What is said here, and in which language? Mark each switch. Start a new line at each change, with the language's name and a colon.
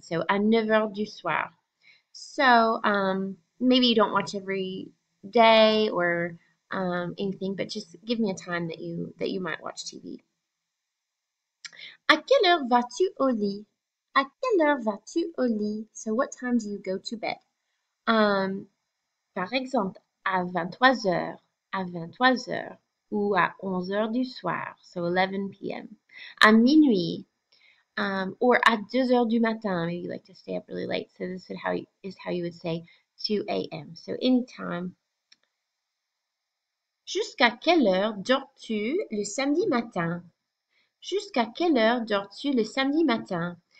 English: So,
French: à 9h du soir.
English: So, maybe you don't watch every day or anything, but just give me a time that you might watch TV.
French: À quelle heure vas-tu au lit? À quelle heure vas-tu au lit?
English: So, what time do you go to bed?
French: Par exemple, à 23h, à 23h, ou à 11h du soir,
English: so 11 p.m.
French: À minuit,
English: or
French: à 2h du matin,
English: maybe you like to stay up really late, so this is how you would say 2 a.m. So anytime.
French: Jusqu'à quelle heure dors-tu le samedi matin? Jusqu'à quelle heure dors-tu le samedi matin?